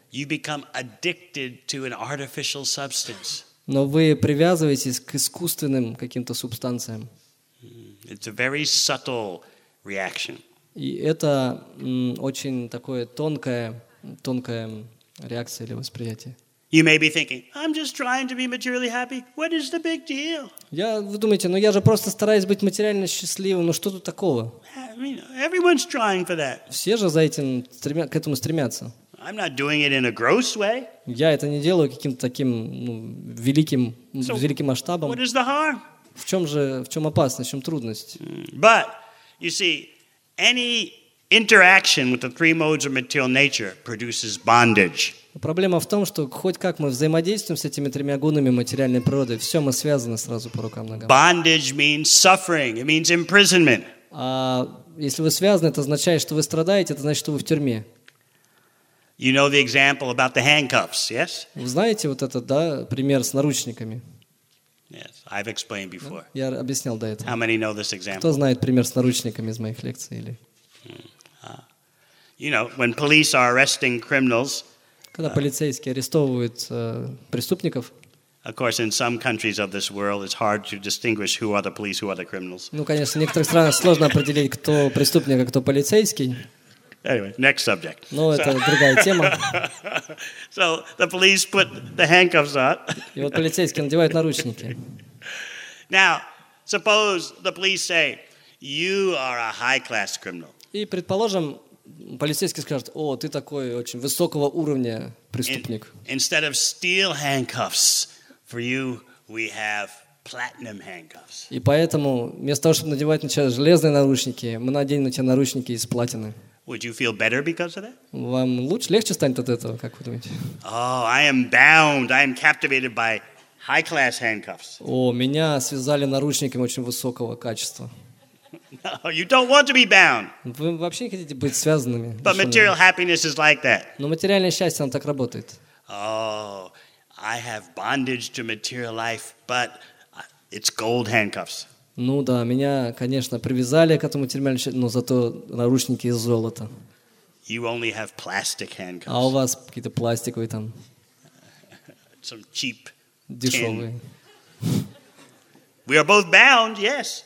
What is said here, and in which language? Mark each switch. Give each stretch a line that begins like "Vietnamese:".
English: You become addicted to an artificial substance.
Russian: Но вы привязываетесь к искусственным каким-то субстанциям.
English: It's a very subtle reaction.
Russian: И это очень такое тонкая реакция или восприятие.
English: You may be thinking, I'm just trying to be materially happy. What is the big deal?
Russian: Вы думаете, я же просто стараюсь быть материально счастливым, что тут такого?
English: I mean, everyone's trying for that.
Russian: Все же за этим к этому стремятся.
English: I'm not doing it in a gross way.
Russian: Я это не делаю каким-то таким великим масштабом.
English: What is the harm?
Russian: В чем опасность, в чем трудность?
English: But you see, any interaction with the three modes of material nature produces bondage.
Russian: Проблема в том, что хоть как мы взаимодействуем с этими тремя гунами материальной природы, все мы связаны сразу по рукам и ногам.
English: Bondage means suffering. It means imprisonment.
Russian: А если вы связаны, это означает, что вы страдаете, это значит, что вы в тюрьме.
English: You know the example about the handcuffs, yes?
Russian: Вы знаете вот этот, да, пример с наручниками?
English: Yes, I've explained before.
Russian: Я объяснял до этого.
English: How many know this example?
Russian: Кто знает пример с наручниками из моих лекций или?
English: You know, when police are arresting criminals.
Russian: Когда полицейские арестовывают преступников.
English: Of course, in some countries of this world, it's hard to distinguish who are the police, who are the criminals.
Russian: Ну, конечно, в некоторых странах сложно определить, кто преступник, а кто полицейский.
English: Anyway, next subject.
Russian: Ну, это другая тема.
English: So the police put the handcuffs on.
Russian: И вот полицейские надевают наручники.
English: Now, suppose the police say, "You are a high-class criminal."
Russian: И предположим, полицейский скажет: "О, ты такой очень высокого уровня преступник."
English: Instead of steel handcuffs for you, we have platinum handcuffs.
Russian: И поэтому вместо того, чтобы надевать на тебя железные наручники, мы наденем на тебя наручники из платины.
English: Would you feel better because of that?
Russian: Вам легче станет от этого, как вы думаете?
English: Oh, I am bound. I am captivated by high-class handcuffs.
Russian: О, меня связали наручниками очень высокого качества.
English: No, you don't want to be bound.
Russian: Вы вообще не хотите быть связанными.
English: But material happiness is like that.
Russian: Но материальное счастье, оно так работает.
English: Oh, I have bondage to material life, but it's gold handcuffs.
Russian: Ну да, меня, конечно, привязали к этому термиальному счастью, но зато наручники из золота.
English: You only have plastic handcuffs.
Russian: А у вас какие-то пластиковые там.
English: Some cheap tin.
Russian: Дешевые.
English: We are both bound, yes.